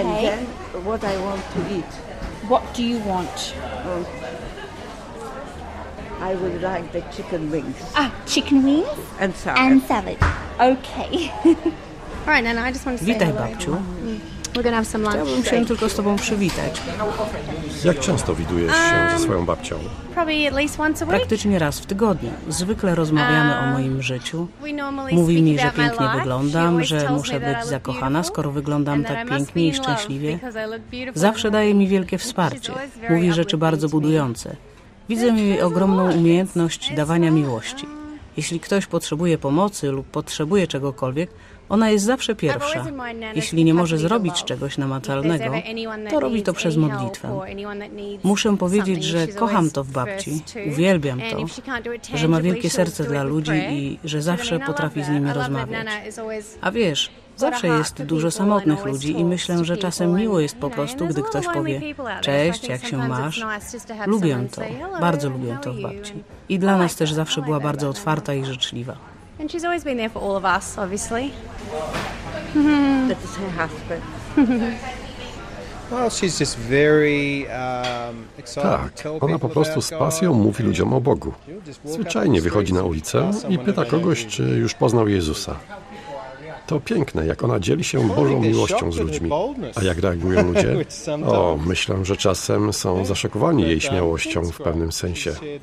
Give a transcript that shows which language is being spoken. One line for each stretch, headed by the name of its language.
English: And then what I want to eat. What do you want? I would like the chicken wings. Ah, chicken wings? And salad. And salad. Okay. All right, Nana, I just want to say hello.
Polish: Babciu.
English: We're gonna have some lunch.
Polish: Musiałem tylko z tobą przywitać. Jak często widujesz się ze swoją babcią?
English: Probably at least once a week.
Polish: Praktycznie raz w tygodniu. Zwykle rozmawiamy o moim życiu. Mówi mi, że pięknie wyglądam, że muszę być zakochana, skoro wyglądam tak pięknie i szczęśliwie. Zawsze daje mi wielkie wsparcie. Mówi rzeczy bardzo budujące. Widzę jej ogromną umiejętność dawania miłości. Jeśli ktoś potrzebuje pomocy lub potrzebuje czegokolwiek, ona jest zawsze pierwsza. Jeśli nie może zrobić czegoś namacalnego, to robi to przez modlitwę. Muszę powiedzieć, że kocham to w babci, uwielbiam to, że ma wielkie serce dla ludzi i że zawsze potrafi z nimi rozmawiać. A wiesz, zawsze jest dużo samotnych ludzi i myślę, że czasem miło jest po prostu, gdy ktoś powie, cześć, jak się masz. Lubię to, bardzo lubię to w babci. I dla nas też zawsze była bardzo otwarta i życzliwa.
English: And she's always been there for all of us, obviously. That is her husband. Well, she's just very excited.
Polish: Tak, ona po prostu z pasją mówi ludziom o Bogu. Zwyczajnie wychodzi na ulicę i pyta kogoś, czy już poznał Jezusa. To piękne, jak ona dzieli się Bożą miłością z ludźmi. A jak reagują ludzie? O, myślę, że czasem są zaszokowani jej śmiałością w pewnym sensie.